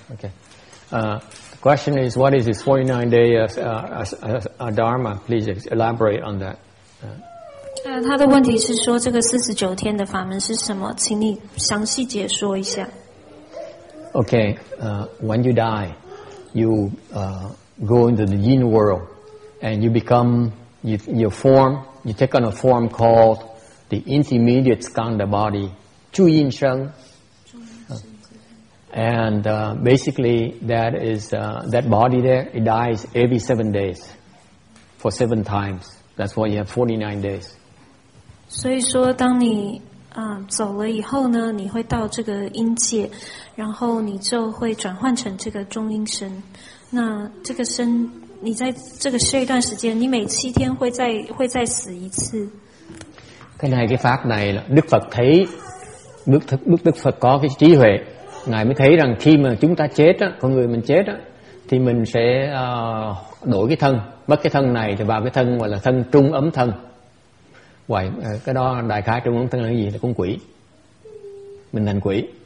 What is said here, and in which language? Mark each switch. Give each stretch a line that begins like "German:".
English: Ok, the question is what is this 49 day dharma, please elaborate on that.
Chinese: 他的问题是说这个49天的法门是什么，请你详细解说一下。
English: Okay, when you die, you go into the yin world, and you become, your form, you take on a form called the intermediate skanda body, chu yin sheng. And basically that is, that body there, it dies every 7 days, for 7 times. That's why you have 49 days.
Chinese: 所以说当你走了以后呢，你会到这个阴界，然后你就会转换成这个中阴身。那这个身，你在这个这一段时间，你每7天会再死一次。
Vietnamese: Cái này cái pháp này là Đức Phật thấy, Đức Phật có cái trí huệ, ngài mới thấy rằng khi mà chúng ta chết á, con người mình chết á, thì mình sẽ đổi cái thân, mất cái thân này thì vào cái thân gọi là thân trung ấm thân. Vậy cái đó đại khái trung ấm thân là cái gì? Là con quỷ. Mình thành quỷ.